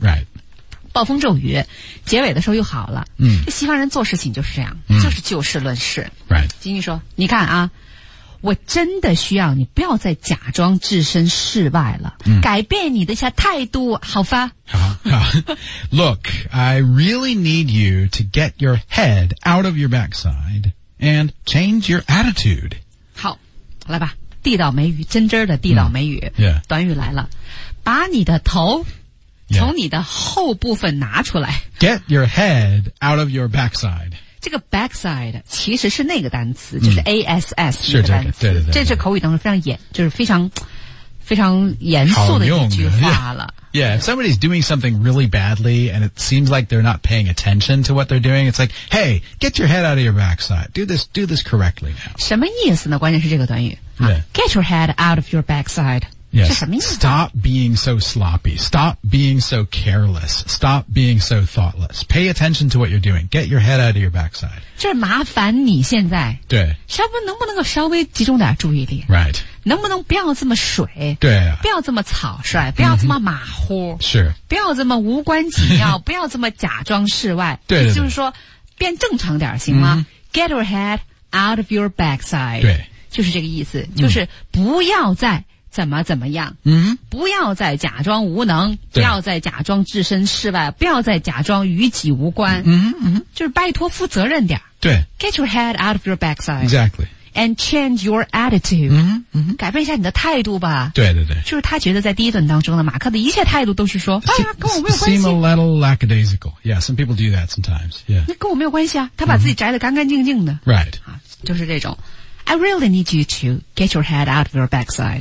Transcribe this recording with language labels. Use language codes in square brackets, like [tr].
[en] Right. [zh] 暴风骤雨结尾的时候又好了、西方人做事情就是这样、就是就事论事、 [en] right. [zh] 经济说你看啊我真的需要你不要再假装置身事外了、改变你的一下态度好吧 [en] Look, I really need you to get your head out of your backside and change your attitude [zh] 好来吧地道美语真真的地道美语、短语来了把你的头 [en] Yeah. [zh] 从你的后部分拿出来。 [en] Get your head out of your backside. [zh] 这个 backside 其实是那个单词、就是 ASS 是这个对对对。这是口语当中非常严就是非常非常严肃的一句话了。 [en] Yeah, if somebody's doing something really badly and it seems like they're not paying attention to what they're doing, it's like, hey, get your head out of your backside. Do this correctly now. [zh] 什么意思呢关键是这个短语。 [en] Yeah. Get your head out of your backside. Yes, stop being so sloppy. Stop being so careless. Stop being so thoughtless. Pay attention to what you're doing. Get your head out of your backside. [zh] 这麻烦你现在。对。稍微能不能够稍微集中点注意力。 [en] Right. [zh] 能不能不要这么水。对、啊。不要这么草率。不要这么马虎。是。不要这么无关紧要。不要这么假装事外。对。就是说变正常点行吗、 [en] Get your head out of your backside. [zh] 对。就是这个意思。就是不要再怎么怎么样、不要再假装无能不要再假装置身事外不要再假装与己无关、就是拜托负责任点对 [en] Get your head out of your backside Exactly And change your attitude、 [zh] 改变一下你的态度吧对对对就是他觉得在第一段当中呢马克的一切态度都是说哎呀跟我没有关系 [en] Seem a little lackadaisical Yeah, some people do that sometimes、 [zh] 那跟我没有关系啊他把自己摘得干干净净的、 [en] Right [zh] 就是这种 [en] I really need you to get your head out of your backside.